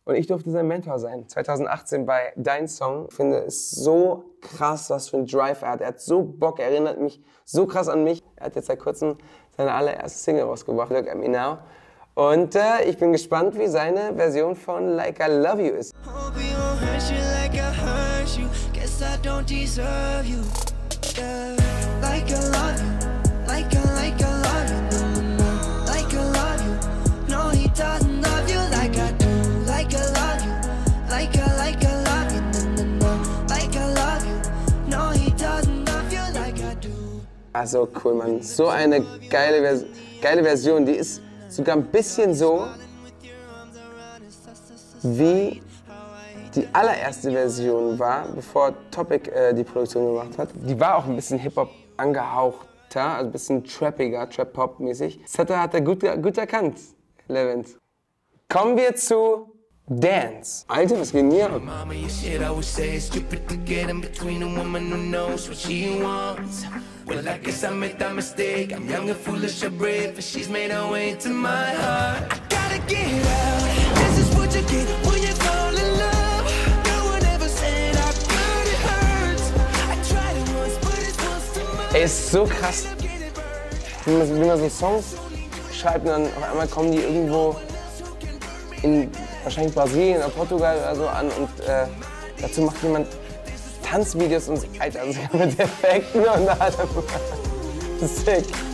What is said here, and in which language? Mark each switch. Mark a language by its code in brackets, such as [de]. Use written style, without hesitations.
[de] Und ich durfte sein Mentor sein, 2018 bei Dein Song. Ich finde es so krass, was für ein Drive er hat. Er hat so Bock, er erinnert mich so krass an mich. Er hat jetzt seit kurzem seine allererste Single rausgebracht, Look at Me Now. Und ich bin gespannt, wie seine Version von Like I Love You ist. [en] Hope you don't hurt you like I hurt you. Guess I don't deserve you. Like I love you. Like I love you. No, no. Like I love you. No, he doesn't love you like I do. Like I love you. Like I love you. No, no, no. Like I love you. No, he doesn't love you like I do. [de] Also cool, Mann. So eine geile Version, die ist sogar ein bisschen so wie die allererste Version war, bevor Topic die Produktion gemacht hat. Die war auch ein bisschen Hip-Hop angehauchter, also ein bisschen trappiger, Trap-Pop-mäßig. Das hat er gut erkannt, Levent. Kommen wir zu Dance. Alter, was geht denn hier? [en] Mama, you said I would say it's stupid to get in between a woman who knows what she wants. Well, I guess I made that mistake. I'm young and foolish and brave, but she's made her way to my heart. I gotta get out. This is what you get when you fall in love. No one ever said I could, it hurts. I tried it once, but it was too much. [de] Ist so krass. Wenn man so Songs schreibt, dann auf einmal kommen die irgendwo in wahrscheinlich Brasilien oder Portugal oder so an und dazu macht jemand Tanzvideos und Alter, also mit Effekten und allem. Sick.